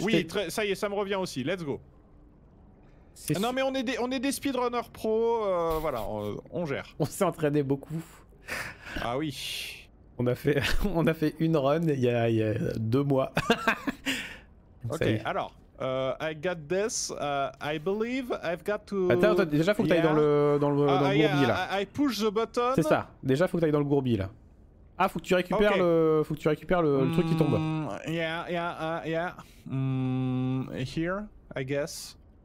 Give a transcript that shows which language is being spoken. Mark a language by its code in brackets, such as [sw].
[fr] oui, ça y est, ça me revient aussi. [en] Let's go. [fr] Non mais on est des speedrunners pro, voilà, on gère. On s'est entraîné beaucoup. Ah oui. On a fait une run il y a 2 mois. [en] Ok, alors, I got this, I believe I've got to... [fr] Attends, déjà faut que t'ailles dans le gourbi là. [en] I push the button. [fr] C'est ça, déjà faut que t'ailles dans le gourbi là. Ah, faut que tu récupères le truc qui tombe. [en] Here, I guess.